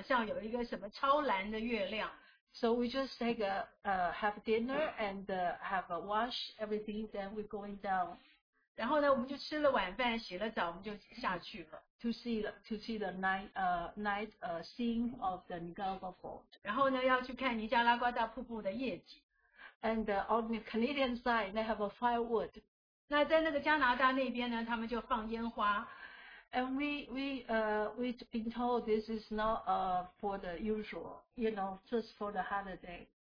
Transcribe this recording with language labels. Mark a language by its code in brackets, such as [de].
[zh] 那晚上我们不知道那天晚上有一个什么超蓝的月亮. [en] So we just take a have dinner and have a wash everything, then we're going down. [zh] 然后呢，我们就吃了晚饭，洗了澡，我们就下去了。 [en] To see the night scene of the Nicaragua Fort. [zh] 然后呢，要去看尼加拉瓜大瀑布的夜景。 [en] And on the Canadian side, they have a firewood. [zh] 那在那个加拿大那边呢，他们就放烟花。 [en] And we've been told this is not for the usual, you know, just for the holiday.